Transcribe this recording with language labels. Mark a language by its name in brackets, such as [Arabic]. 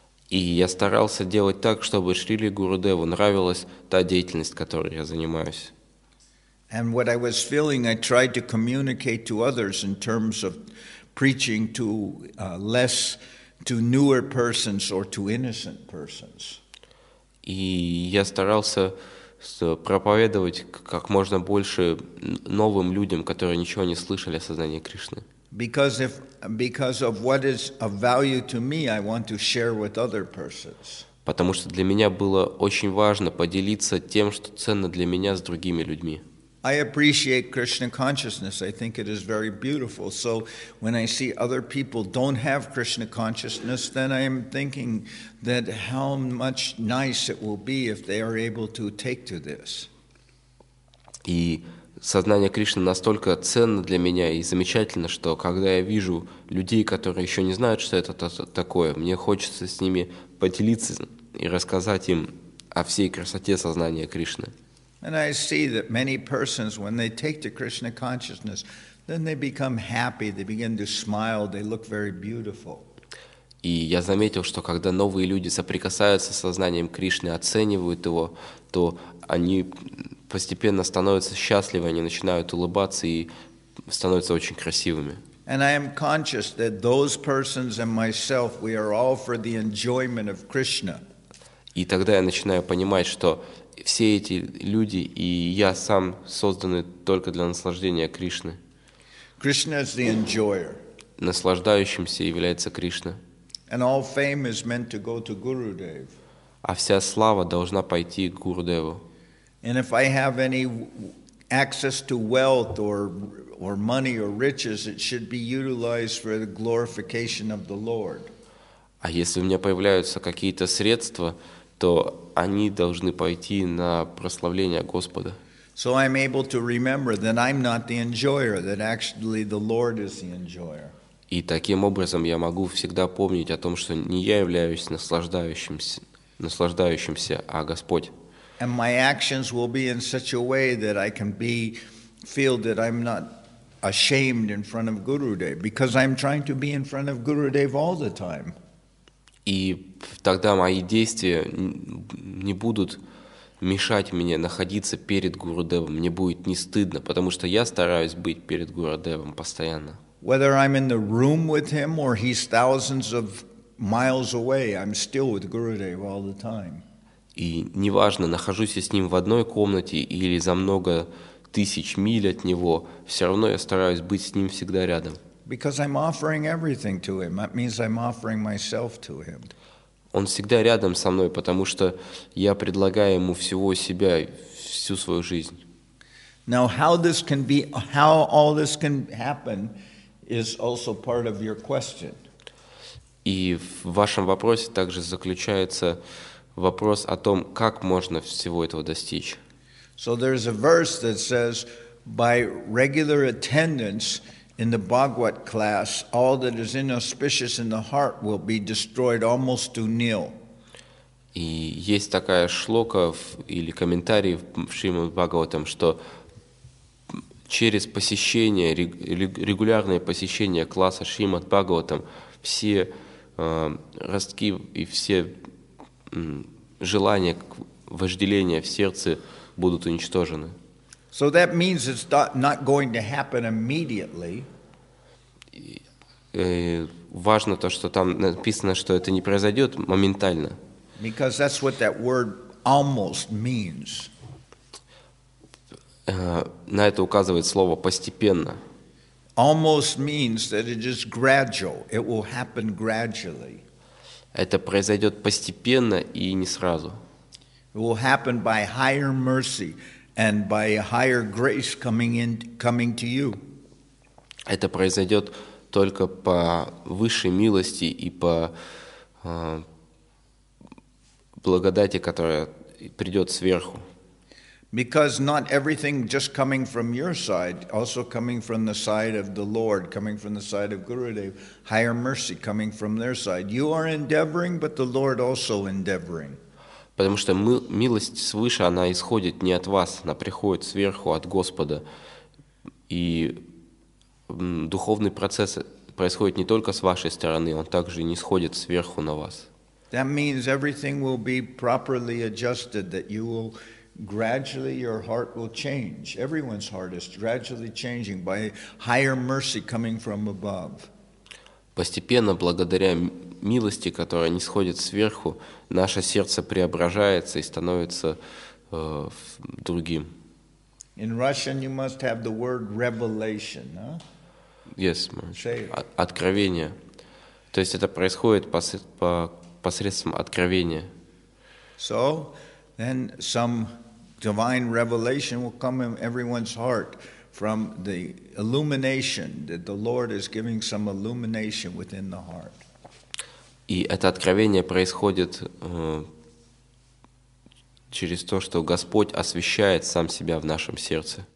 [Russian] И я старался делать так, чтобы Шриле Гурудеву нравилась та деятельность, которой я занимаюсь. [English] And what I was feeling, I tried to communicate to others in terms of preaching to less, to newer persons or to innocent persons. [Russian] И я старался проповедовать как можно больше новым людям, которые ничего не слышали о сознании Кришны. [English] Because of what is of value to me, I want to share with other persons. [Russian] Потому что для меня было очень важно поделиться тем, что ценно для меня, с другими людьми. [English] I appreciate Krishna consciousness. I think it is very beautiful. So when I see other people don't have Krishna consciousness, then I am thinking that how much nice it will be if they are able to take to this. [Russian] И сознание Кришны настолько ценно для меня и замечательно, что когда я вижу людей, которые еще не знают, что это такое, мне хочется с ними поделиться и рассказать им о всей красоте сознания Кришны. [English] And I see that many persons, when they take to Krishna consciousness, then they become happy, they begin to smile, they look very beautiful. [Russian] И я заметил, что когда новые люди соприкасаются с сознанием Кришны, оценивают его, то они постепенно становятся счастливы, они начинают улыбаться и становятся очень красивыми. [English] And I am conscious that those persons and myself, we are all for the enjoyment of Krishna. [Russian] И тогда я начинаю понимать, что все эти люди и я сам созданы только для наслаждения Кришны. [English] Krishna is the enjoyer. [Russian] Наслаждающимся является Кришна. [English] And all fame is meant to go to Gurudev. [Russian] А вся слава должна пойти к Гурудеву. [English] And if I have any access to wealth or money or riches, it should be utilized for the glorification of the Lord. [Russian] А если у меня появляются какие-то средства, то они должны пойти на прославление Господа. [English] So I'm able to remember that I'm not the enjoyer, that actually the Lord is the enjoyer. [Russian] И таким образом я могу всегда помнить о том, что не я являюсь наслаждающимся, а Господь. [English] And my actions will be in such a way that I can be feel that I'm not ashamed in front of Gurudev, because I'm trying to be in front of Gurudev all the time. [Russian] И тогда мои действия не будут мешать мне находиться перед Гурудевом, мне будет не стыдно, потому что я стараюсь быть перед Гурудевом постоянно. [English] Whether I'm in the room with him or he's thousands of miles away, I'm still with Gurudev all the time. [Russian] И неважно, нахожусь я с ним в одной комнате или за много тысяч миль от него, все равно я стараюсь быть с ним всегда рядом. [English] Because I'm offering everything to him. That means I'm offering myself to him. [Russian] Он всегда рядом со мной, потому что я предлагаю ему всего себя, всю свою жизнь. [English] Now, how all this can happen is also part of your question. [Russian] И в вашем вопросе также заключается вопрос о том, как можно всего этого достичь. [English] So there's a verse that says, by regular attendance in the Bhagavat class, all that is inauspicious in the heart will be destroyed almost to nil. [Russian] И есть такая шлока или комментарий в Шримад Бхагаватам, что через посещение, регулярное посещение класса Шримад Бхагаватам, все ростки и все желания, вожделения в сердце будут уничтожены. [English] So that means it's not going to happen immediately. [Russian] Важно то, что там написано, что это не произойдет моментально. [English] Because that's what that word almost means. [Russian] На это указывает слово постепенно. [English] Almost means that it is gradual. It will happen gradually. [Russian] Это произойдет постепенно и не сразу. [English] It will happen by higher mercy and by higher grace coming to you. [Russian] Это произойдет только по высшей милости и по благодати, которая придет сверху. [English] Because not everything just coming from your side, also coming from the side of the Lord, coming from the side of Gurudev, higher mercy coming from their side. You are endeavoring, but the Lord also endeavoring. [Russian] Потому что милость свыше, она исходит не от вас, она приходит сверху от Господа. И духовный процесс происходит не только с вашей стороны, он также нисходит сверху на вас. [English] That means everything will be properly adjusted, that you will gradually your heart will change. Everyone's heart is gradually changing by higher mercy coming from above. [Russian] Постепенно, благодаря милости, которая нисходит сверху, наше сердце преображается и становится другим. [English] In Russian you must have the word revelation, huh? Yes, [Russian] откровение. То есть это происходит посредством откровения. [English] So, then some divine revelation will come in everyone's heart from the illumination that the Lord is giving some illumination within the heart. [Russian] И это откровение происходит через то, что Господь освещает сам себя в нашем сердце.